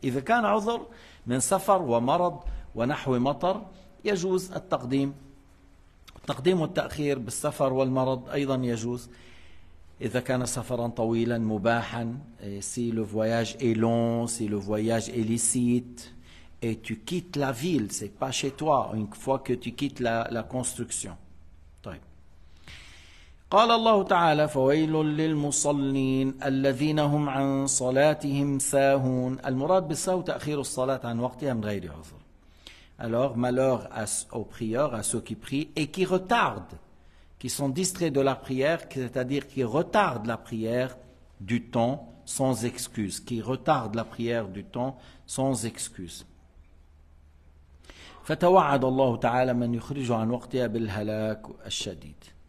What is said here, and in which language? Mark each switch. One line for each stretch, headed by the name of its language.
Arabic: إذا كان عذر من سفر ومرض ونحو مطر يجوز التقديم التقديم والتأخير بالسفر والمرض أيضا يجوز إذا كان سفرا طويلا مباحا
French: si le voyage est long si le voyage est licite et tu quittes la ville c'est pas chez toi une fois que tu quittes la construction.
Arabic: طيب قال الله تعالى فويل للمصلين الذين هم عن صلاتهم ساهون المراد بالساهو تأخير الصلاة عن وقتها من غير عذر.
French: Alors, malheur aux prieurs, à ceux qui prient et qui retardent, qui sont distraits de la prière, c'est-à-dire qui retardent la prière du temps sans excuse. Qui retardent la prière du temps sans excuse.
Arabic: فتوعد الله تعالى من يخرجه عن وقتها بالهلاك الشديد.